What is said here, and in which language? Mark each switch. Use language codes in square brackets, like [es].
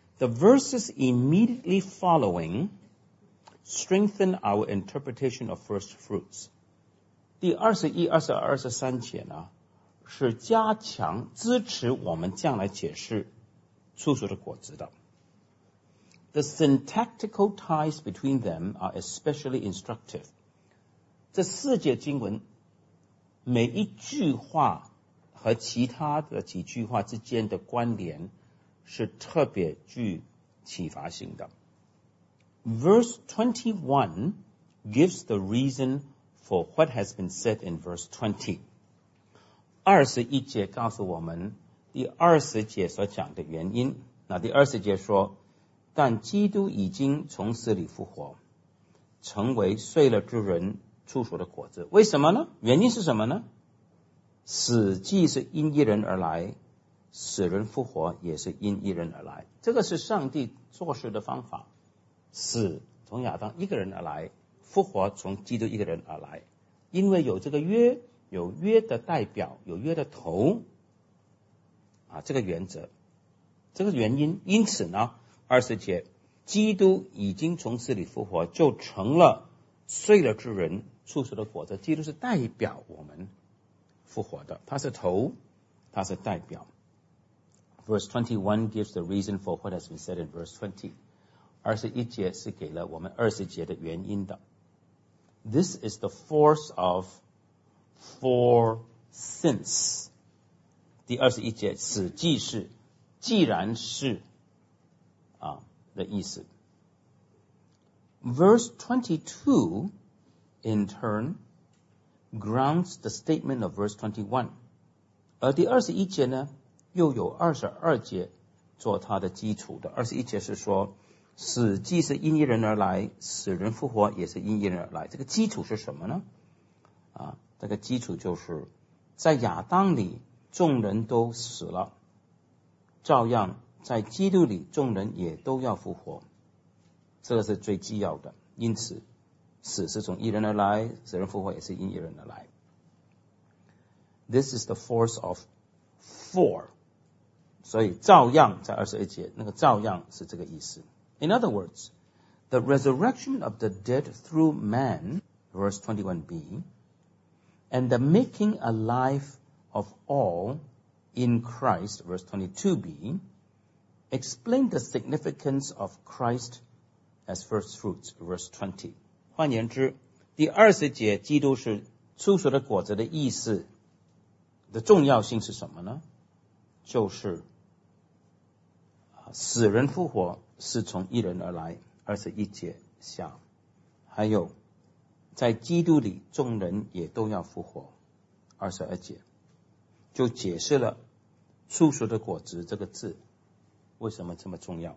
[en] The verses immediately following strengthen our interpretation of first fruits。 [zh] 第21、22、23节呢，是加强支持我们将来解释初熟的果子的。 [en] The syntactical ties between them are especially instructive。 [zh] 这四节经文每一句话和其他的几句话之间的关联是特别具启发性的。 [en] Verse 21 gives the reason for what has been said in verse 20。 [zh] 二十一节告诉我们第二十节所讲的原因。那第二十节说，但基督已经从死里复活，成为睡了之人初熟的果子。为什么呢？原因是什么呢？死既是因一人而来，死人复活也是因一人而来。这个是上帝做事的方法，死从亚当一个人而来，复活从基督一个人而来。因为有这个约，有约的代表，有约的头啊，这个原则，这个原因。因此呢，二十节，基督已经从死里复活，就成了睡了之人初熟的果子。基督是代表我们复活的，他是头，他是代表。 [en] Verse 21 gives the reason for what has been said in verse 20。 [zh] 二十一节是给了我们二十节的原因的。 [en] This is the force of For since， [zh] 第二十一节，此既是，既然是，的意思。 [en] Verse 22 in turn grounds the statement of verse 21， [zh] 而第二十一节呢，又有二十二节做它的基础的。二十一节是说，死既是因一人而来，死人复活也是因一人而来。这个基础是什么呢？这个基础就是在亚当里众人都死了，照样在基督里众人也都要复活，这个是最基要的。因此死是从一人而来，死人复活也是因一人而来。 [en] This is the force of for， [zh] 所以照样在二十一节，那个照样是这个意思。 [en] In other words， the resurrection of the dead through man verse 21b and the making alive of all in Christ, verse 22b, explain the significance of Christ as first fruits, verse 20. [zh] 换言之，第二十节基督是初熟的果子的意思的重要性是什么呢？就是死人复活是从一人而来，二十一节下，还有在基督里众人也都要复活，二十二节，就解释了初熟的果子这个字为什么这么重要。